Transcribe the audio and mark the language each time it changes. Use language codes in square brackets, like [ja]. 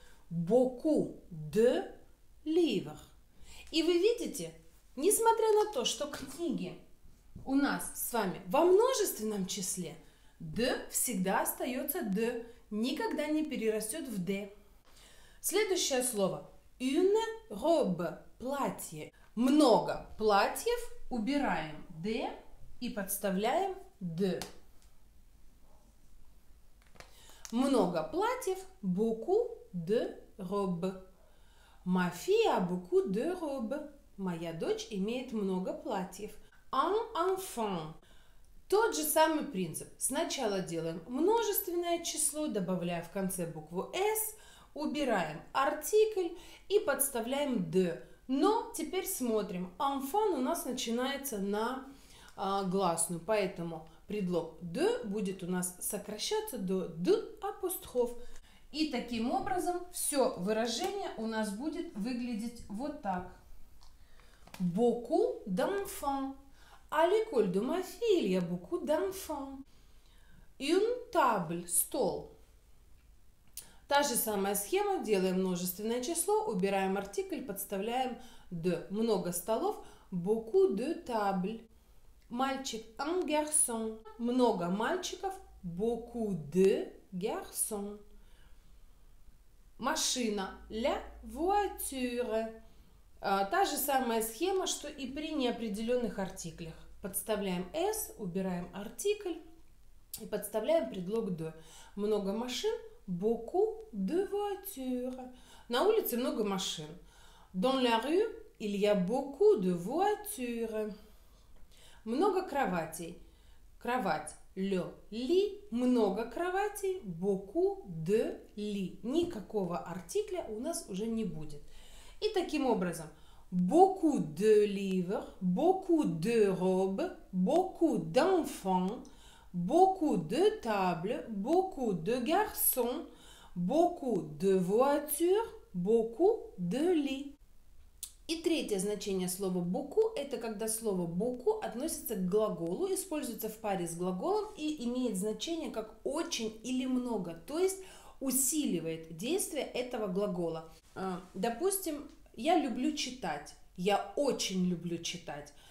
[fr] Beaucoup de livres. [ru] И вы видите, несмотря на то, что книги у нас с вами во множественном числе, «de» всегда остается «de», никогда не перерастет в «de». Следующее слово. [fr] Une robe – платье. [ru] Много платьев убираем «de» и подставляем «de». Много платьев [fr] – beaucoup de robe. Ma fille a beaucoup de robe. [ru] Моя дочь имеет много платьев. [fr] Un enfant. [ru] Тот же самый принцип. Сначала делаем множественное число, добавляя в конце букву S, убираем артикль и подставляем de. Но теперь смотрим. Enfant у нас начинается на гласную, поэтому предлог de будет у нас сокращаться до de апостроф. И таким образом все выражение у нас будет выглядеть вот так. [fr] Beaucoup d'enfants. À l'école de ma fille, il y a beaucoup d'enfants. Une table, стол. [ru] Та же самая схема, делаем множественное число, убираем артикль, подставляем de. [fr] Много столов, beaucoup de tables. Мальчик, un garçon. [ru] Много мальчиков, [fr] beaucoup de garçons. Машина, la voiture. [ru] Та же самая схема, что и при неопределенных артиклях. Подставляем S, убираем артикль и подставляем предлог de. Много машин. [fr] Beaucoup de voitures. [ru] На улице много машин. [fr] Dans la rue, il y a beaucoup de voitures. [ru] Много кроватей. Кровать. [fr] Le lit. [ru] Много кроватей. [fr] Beaucoup de lit. [ru] Никакого артикля у нас уже не будет. И таким образом. [fr] Beaucoup de livres, beaucoup de robes, beaucoup d'enfants, beaucoup de tables, beaucoup de garçons, beaucoup de voitures, beaucoup de lits. [ru] И третье значение слова beaucoup – это когда слово beaucoup относится к глаголу, используется в паре с глаголом и имеет значение как очень или много, то есть усиливает действие этого глагола. Допустим, я люблю читать. Я очень люблю читать.